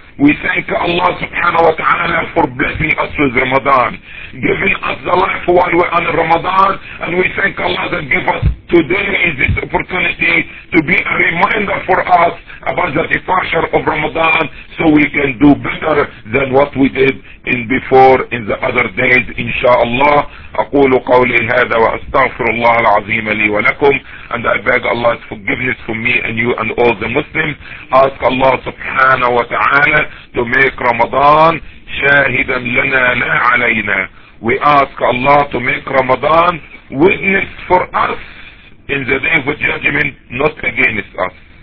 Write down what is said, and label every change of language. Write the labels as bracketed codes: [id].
[en] We thank Allah subhanahu wa ta'ala for blessing us with Ramadan, giving us the life while we're on Ramadan, and we thank Allah that give us today this opportunity to be a reminder for us about the departure of Ramadan, so we can do better than what we did in before in the other days, inshaAllah. [ar] أقول قولي هذا وأستغفر الله العظيم لي ولكم. [en] And I beg Allah's forgiveness for me and you and all the Muslims. Ask Allah subhanahu wa ta'ala to make Ramadan [ar] شاهدا لنا لا علينا. [en] We ask Allah to make Ramadan witness for us in the day of judgment, not against us.